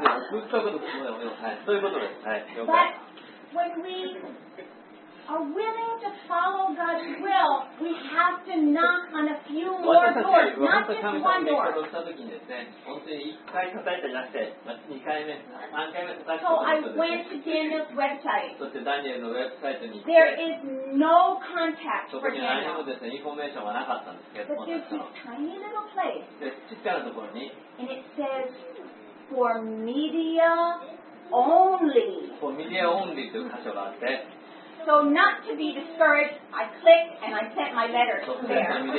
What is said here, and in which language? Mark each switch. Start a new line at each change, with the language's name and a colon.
Japanese: そういうことです。はい、了解。
English: But when we are willing to follow God's will, we have to knock on a few more doors, not just one door.
Japanese: 私たちが神様に行った時にですね、本当に1回叩いてなくて、2回目、3回目叩いてたことですね。
English: So I went to Daniel's website.
Japanese: そしてダニエルのウェブサイトに行って、
English: There is no contact for Daniel.
Japanese: そこに何もですね、インフォメーションはなかったんですけど、
English: But there's this tiny little place.
Japanese: で、小さなところに、
English: And it says, for media only. For media only
Japanese: という箇所があって、
English: So not to be discouraged, I clicked and I sent my letter there.